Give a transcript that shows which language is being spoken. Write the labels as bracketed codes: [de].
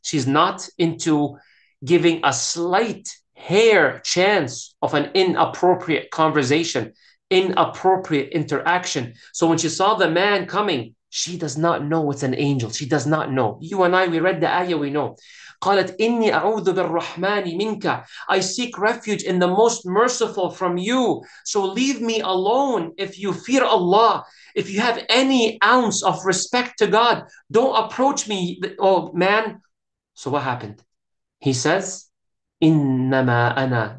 [en] She's not into giving a slight hair chance of an inappropriate conversation, inappropriate interaction. So when she saw the man coming, she does not know it's an angel. She does not know. You and I, we read the ayah, we know. [ar] قالت إني أعوذ بالرحمن منك. [en] I seek refuge in the most merciful from you. So leave me alone. If you fear Allah, if you have any ounce of respect to God, don't approach me, oh man. So what happened? He says, [ar] إنما أنا.